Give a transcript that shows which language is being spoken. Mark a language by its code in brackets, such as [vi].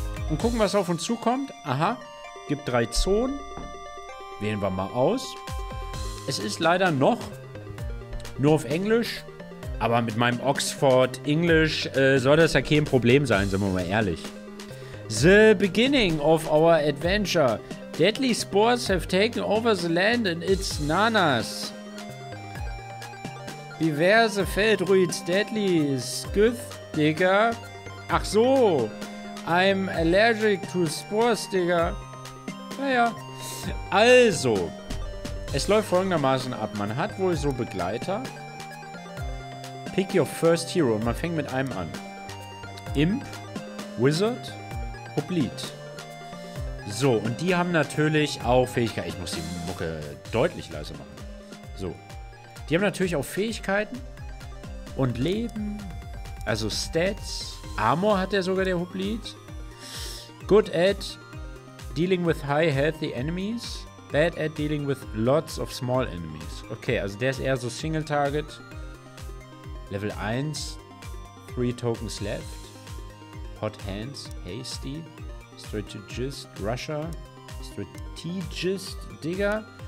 [de] Und gucken, was auf uns zukommt. Aha, gibt 3 Zonen. Wählen wir mal aus. Es ist leider noch nur auf Englisch. Aber mit meinem Oxford English soll das ja kein Problem sein, sind wir mal ehrlich. [en] The beginning of our adventure. Deadly spores have taken over the land and its nanas. Beware the Feldruids, deadly Scyth Digger. [de] Ach so. [en] I'm allergic to spores, Digga. [de] Naja. Also. Es läuft folgendermaßen ab. Man hat wohl so Begleiter. [en] Pick your first hero. [de] Und man fängt mit einem an. Imp. Wizard. Hoplite. So. Und die haben natürlich auch Fähigkeiten. Ich muss die Mucke deutlich leiser machen. So. Die haben natürlich auch Fähigkeiten. Und Leben. Also Stats. [en] Armor [de] hat der sogar, der [en] Hoplite. Good at dealing with high healthy enemies. Bad at dealing with lots of small enemies. [de] Okay, also der ist eher so Single Target. [en] Level 1. 3 tokens left. Hot hands. Hasty. Strategist. Rusher. Strategist. Digger.